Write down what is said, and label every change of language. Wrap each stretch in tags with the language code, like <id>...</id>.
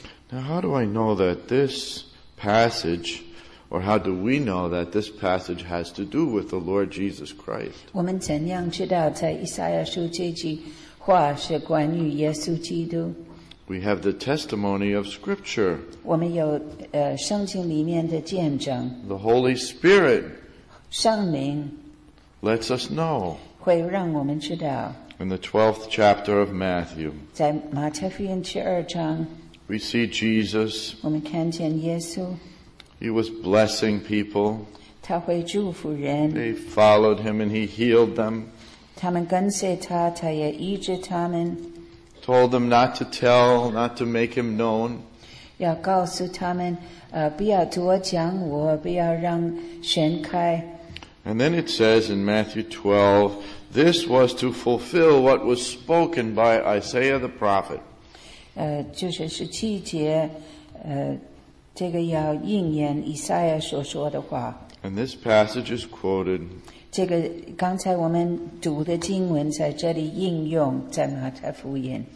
<en>Now how do I know that this passage Or how do we know that this passage has to do with the Lord Jesus Christ?</en> <zh>我们怎样知道在以赛亚书这句话是关于耶稣基督?</zh> <en>We have the testimony of Scripture.</en> <zh>我们有圣经里面的见证。</zh> <en>The Holy Spirit</en> <zh>圣灵</zh> <en>lets us know.</en> <zh>会让我们知道。</zh> <en>In the 12th chapter of Matthew,</en> <zh>在马太福音第二章,</zh> <en>we see Jesus.</en> <zh>我们看见耶稣。</zh> <en>He was blessing people.</en> <zh>他会祝福人,</zh> <en>they followed him and he healed them.</en> <zh>他们跟随他, 他也医治他们,</zh> <en>told them not to tell, not to make him known.</en> <zh>要告诉他们, 不要多讲我, 不要让神开。</zh> <en>And then it says in Matthew 12, This was to fulfill what was spoken by Isaiah the prophet.</en> <zh>就是十七节, 这个要应验以赛亚所说的话。</zh> <en>And this passage is quoted.</en> <zh>这个刚才我们读的经文在这里应用在马太福音。</zh>